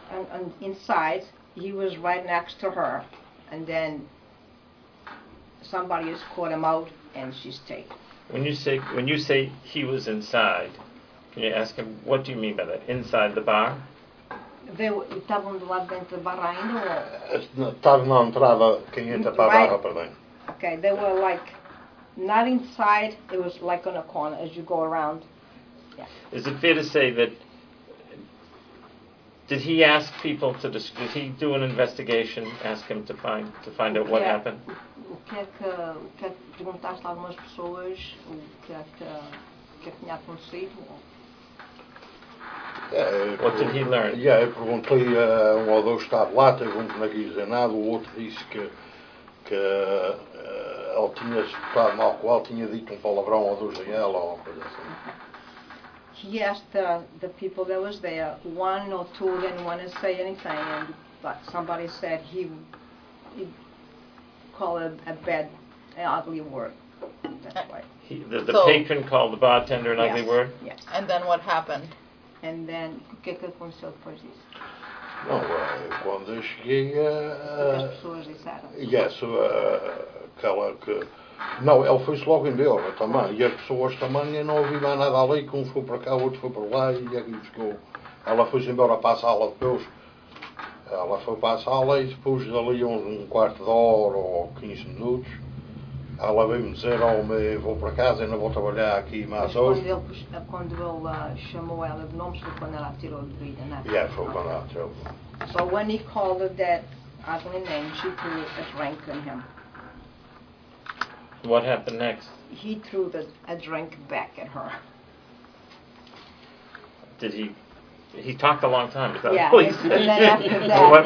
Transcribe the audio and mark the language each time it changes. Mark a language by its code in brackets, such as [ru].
[en] And inside, he was right next to her, and then somebody has caught him out, and she's taken. When you say he was inside, can you ask him, what do you mean by that? Inside the bar? [pt] Estavam do lado dentro da barra ainda? Estava na entrada, quem entra para a barra, perdão. [en] Okay, they were like, not inside, it was like on a corner as you go around. Yeah. Is it fair to say that, did he ask people to, did he do an investigation, ask him to find out what happened? [pt] O que é que perguntaste a algumas pessoas, o que é que tinha acontecido? [en] What did he learn? [pt] Yeah, eu perguntei a um ou dois que estava lá, teve um que não quis dizer nada, o outro disse que ele tinha estado mal com ela, tinha dito um palavrão ou dois em ela, ou uma coisa assim. [en] He asked the people that was there, one or two didn't want to say anything, but somebody said he called a bad, an ugly word. That's why. The patron called the bartender an ugly word? Yes. And then what happened? And then, [pt] o que é que aconteceu depois disso? Não, quando eu cheguei... O que as pessoas disseram? Yes, aquela que... Não, ele foi-se logo embora também. E as pessoas também, eu não ouvi mais nada ali, que um foi para cá, o outro foi para lá, e aqui buscou. Ela foi-se embora para a sala depois. Ela foi para a sala e depois dali um quarto de hora ou 15 minutos. Ela veio-me dizer, homem, vou para casa, ainda vou trabalhar aqui mais Mas hoje. Quando ele chamou ela de nomes, foi quando ela tirou de vida, não é? Yeah, foi quando ela tirou. [en] So when he called her that ugly name, she threw a drink on him. What happened next? He threw a drink back at her. Did he? He talked a long time. Yeah. And then after that,